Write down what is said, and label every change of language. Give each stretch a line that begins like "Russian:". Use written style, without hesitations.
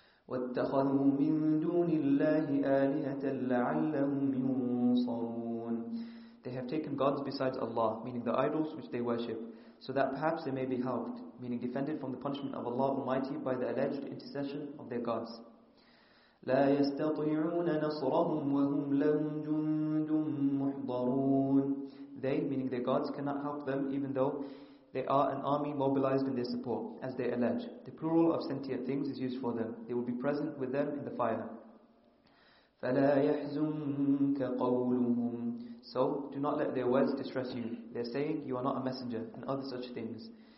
Arabic: وَاتَّخَذُوا مِن دُونِ اللَّهِ آلِهَةً لَعَلَّهُمْ يُنصَرُونَ
English: They have taken gods besides Allah, meaning the idols which they worship, so that perhaps they may be helped, meaning defended from the punishment of Allah Almighty by the alleged intercession of their gods.
Arabic: لا يستطيعون نصرهم وهم لهم جند محضرون
English: They, meaning their gods, cannot help them even though they are an army mobilized in their support, as they allege. The plural of sentient things is used for them. They will be present with them in the fire.
Arabic: فلا يحزنك قولهم
English: So, do not let their words distress you. They're saying, you are not a messenger, and other such things.